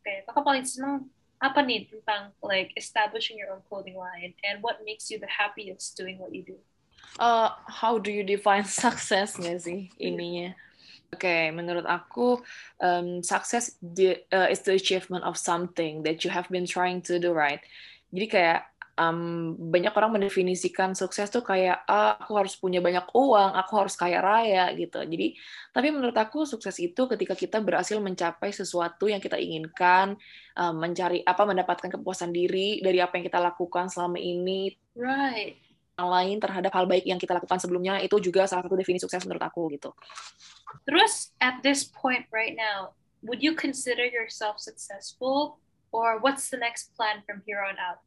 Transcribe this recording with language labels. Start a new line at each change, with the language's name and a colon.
Indonesian: Kayak kakak paling senang apa nih tentang
English: like establishing your own clothing line and what makes you the happiest doing what you do? How do you define success
Indonesian: nggak sih ininya?
English: Okay,
Indonesian: menurut aku
English: success is the achievement of something that you have been trying to do right.
Indonesian: Jadi kayak banyak orang mendefinisikan sukses tuh kayak aku harus punya banyak uang, aku harus kaya raya gitu. Jadi tapi menurut aku sukses itu ketika kita berhasil mencapai sesuatu yang kita inginkan, mendapatkan kepuasan diri dari apa yang kita lakukan selama ini.
English: Right.
Indonesian: Yang lain terhadap hal baik yang kita lakukan sebelumnya, itu juga salah satu definisi sukses menurut aku gitu. Terus
English: at this point right now, would you consider yourself successful? Or what's the next plan from here on out?